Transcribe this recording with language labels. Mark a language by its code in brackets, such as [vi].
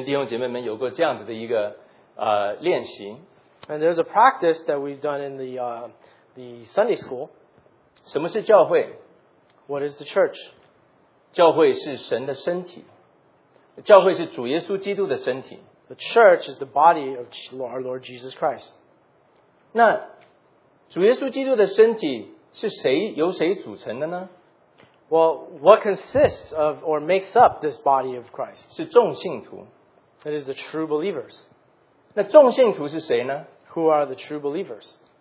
[zh] 我们在英文的主日学里面跟弟兄姐妹们有过这样子的一个练习。 [en] And there's a practice that we've done in the Sunday school. [zh] 什么是教会? [en] What is the church? [zh] 教会是神的身体。教会是主耶稣基督的身体。 [en] The church is the body of our Lord Jesus Christ. [zh] 那主耶稣基督的身体是由谁组成的呢? [en] Well, what consists of or makes up this body of Christ? [zh] 是众信徒。 [en] It is the true believers. [zh] 那众信徒是谁呢? [en] Who are the true believers?